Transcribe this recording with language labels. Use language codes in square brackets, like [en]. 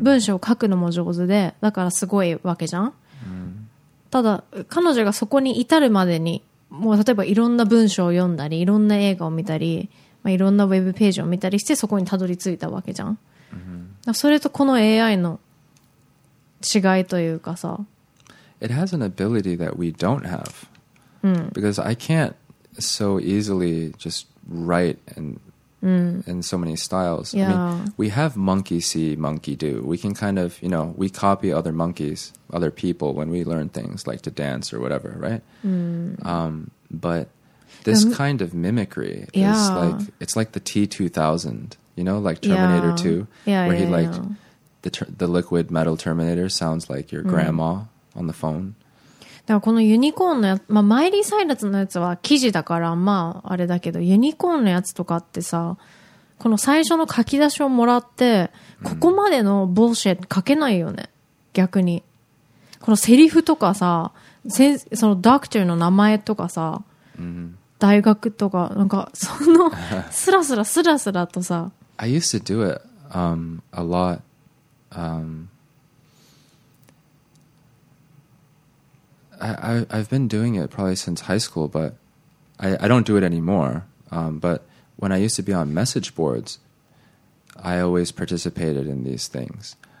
[ja] 文章を書くのも上手で、だからすごいわけじゃん、mm. ただ彼女がそこに至るまでにもう例えばいろんな文章を読んだりいろんな映画を見たり、まあ、いろんなウェブページを見たりしてそこにたどり着いたわけじゃん、 mm-hmm. だそれとこの AI の違いというかさ、 [en] It has an ability that we don't haveBecause I can't so easily just write in so many styles. Yeah. I mean, we have monkey see, monkey do. We can kind of, you know, we copy other monkeys, other people when we learn things like to dance or whatever, right? But this kind of mimicry is like, it's like the T-2000, you know, like Terminator 2, where he like, the liquid metal Terminator sounds like your grandma on the phone. [ja] だからこのユニコーンのやつ、まあ、マイリー・サイラスのやつは記事だからまああれだけど、ユニコーンのやつとかってさ、この最初の書き出しをもらってここまでのボルシェット書けないよね、逆にこのセリフとかさ、そのドクターの名前とかさ、大学とかなんかそのスラスラスラスラとさ、 [en] I used to do it a lot I've been doing it probably since high school, but I don't do it anymore. But when I used to be on message boards, I always participated in these things.